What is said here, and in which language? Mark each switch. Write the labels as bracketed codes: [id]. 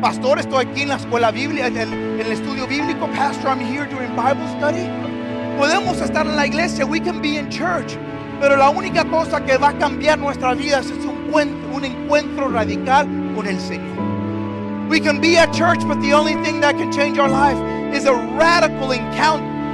[es] Pastor, estoy aquí en la escuela bíblica, en el estudio bíblico. [en] Pastor, I'm here during Bible study. [es] Podemos estar en la iglesia. [en] We can be in church. [es] Pero la única cosa que va a cambiar nuestra vida es un encuentro radical con el Señor. [en] We can be at church, but the only thing that can change our life is a radical encounter.